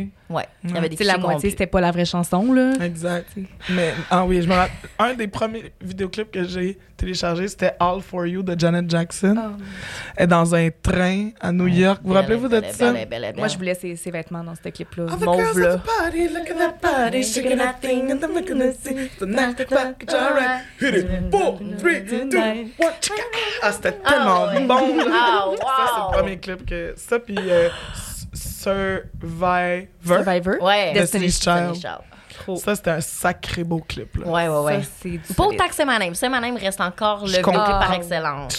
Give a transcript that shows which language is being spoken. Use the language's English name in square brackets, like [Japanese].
[French] La moitié, c'était pas la vraie chanson, là. Exact. Mais, je me rappelle. Un des premiers vidéoclips que j'ai téléchargé, c'était All for You de Janet Jackson. Elle est dans un train à New York. Vous rappelez-vous de ça? Moi, je voulais ses vêtements dans ce clip-là. [English] All the girls at the party, look at that body, shaking that thing, and I'm looking at it. The night, the back, it's all right. Hit it. 4, 3, 2, 1, chica. [French] Ah, c'était tellement bon. Oh, wow. Ça, c'est le premier clip que. Ça, puis. Survivor. Survivor? Ouais. Destiny's Child. Ça, c'était un sacré beau clip. Là. Ouais. Ça, c'est du pas autant que C'est Ma Name. C'est Ma Name reste encore le clip par excellence.